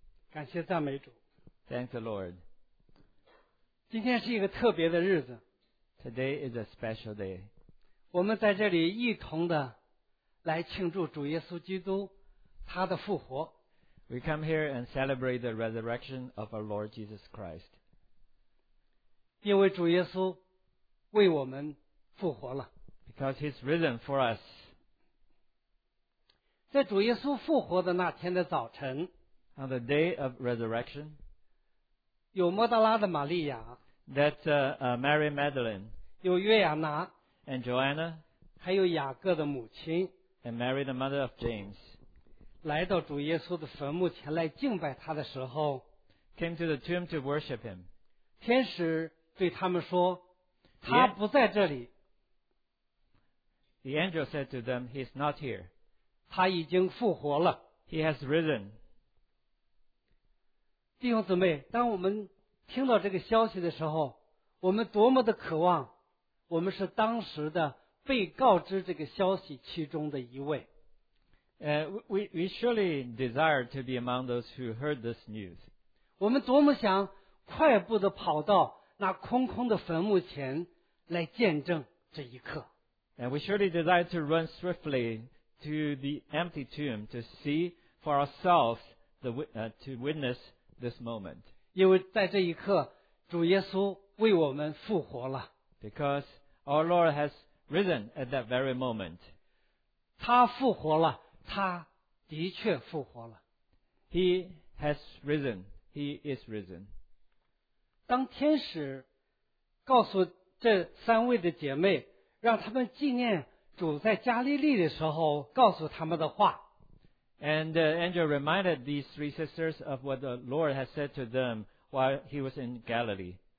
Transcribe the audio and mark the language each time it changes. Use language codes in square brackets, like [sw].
[zh] 感谢赞美主。 [en] Thank the Lord. [zh] 今天是一个特别的日子。 [en] Today is a special day. [zh] 我们在这里一同的来庆祝主耶稣基督他的复活。 [en] We come here and celebrate the resurrection of our Lord Jesus Christ. [zh] 因为主耶稣为我们复活了。 [en] Because he's risen for us. [zh] 在主耶稣复活的那天的早晨， [en] On the day of resurrection, [zh] 有莫大拉的玛利亚 [en] Mary Magdalene, [zh] 有约亚拿 [en] and Joanna, [zh] 还有雅各的母亲 [en] and Mary the mother of James, [zh] 来到主耶稣的坟墓前来敬拜他的时候 [en] came to the tomb to worship him. [zh] 天使对他们说他不在这里。 [en] The angel said to them, he is not here. [zh] 他已经复活了。 [en] He has risen. [zh] 弟兄姊妹，当我们听到这个消息的时候，我们多么的渴望，我们是当时的被告知这个消息其中的一位。 [en] We surely desire to be among those who heard this news. [zh] 我们多么想快步的跑到那空空的坟墓前来见证这一刻。 [en] And we surely desire to run swiftly to the empty tomb to see for ourselves to witness. This moment. [zh] 因为在这一刻主耶稣为我们复活了。 [en] Because our Lord has risen at that very moment. [zh] 他复活了，他的确复活了。 [en] He has risen. He is risen. [zh] 当天使告诉这三位的姐妹，让他们纪念主在加利利的时候告诉他们的话。 [en] And the angel reminded these three sisters of what the Lord had said to them while he was in Galilee.